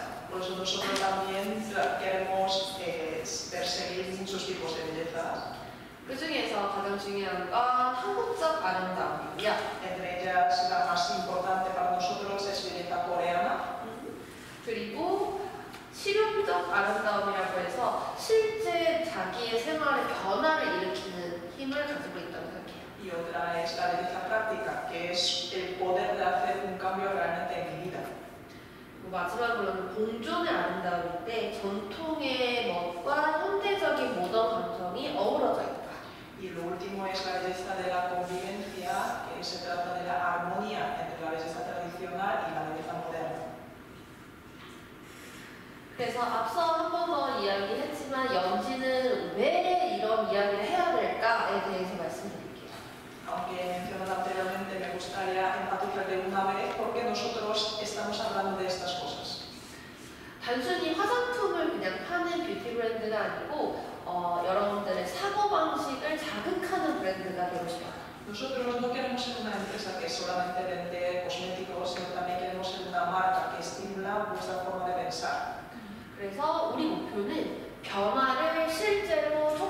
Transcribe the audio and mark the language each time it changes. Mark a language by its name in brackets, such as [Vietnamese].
[Spanish] Por eso nosotros también queremos perseguir muchos tipos de belleza. [Korean] 그 중에서 가장 중요한 건 한국적 아름다움이야. [Spanish] Entre ellas la más importante para nosotros es belleza coreana. [Korean] 그리고 실용적 아름다움이라고 해서 실제 자기의 생활에 변화를 일으키는 힘을 가지고 있다고 생각해요. [Spanish] Y otra es la belleza práctica, que es el poder de hacer un cambio realmente en mi vida. [Korean] 마지막으로는 공존의 아름다움인데 전통의 멋과 현대적인 모던 감성이 어우러져 있다. [Spanish] Y lo último es la belleza de la convivencia, que se trata de la armonía entre la belleza tradicional y la belleza moderna. [Korean] 그래서 앞서 한 번 더 이야기했지만 연진은 왜 이런 이야기를 해야 될까에 대해서 말씀드릴게요. [Spanish] Aunque he mencionado anteriormente, me gustaría enfatizar de una vez por qué nosotros estamos hablando de estas cosas. [Korean] 단순히 화장품을 그냥 파는 뷰티 브랜드가 아니고 여러분들의 사고 방식을 자극하는 브랜드가 되고 싶어요. [Spanish] Nosotros no queremos ser una empresa que solamente vende cosméticos, sino también queremos ser una marca que estimula vuestra forma de pensar. [Korean] 그래서 우리 목표는 변화를 실제로